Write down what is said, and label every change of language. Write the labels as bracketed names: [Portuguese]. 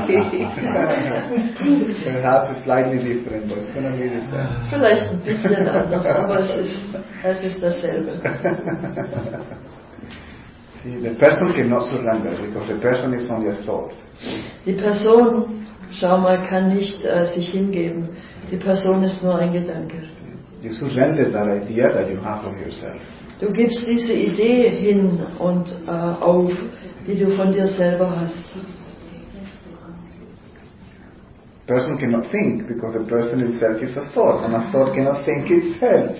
[English] Perhaps slightly different, but it's going to be the same. [German] Vielleicht ein bisschen anders, aber es ist... Es ist dasselbe. [English] The person cannot surrender because the person is only a thought. [German] Die Person, schau mal, kann nicht sich hingeben. Die Person ist nur ein Gedanke. [English] You surrender that idea that you have of yourself. [German] Du gibst diese Idee hin und auf, die du von dir selber hast. [English] Person cannot think because the person itself is a thought, and a thought cannot think itself.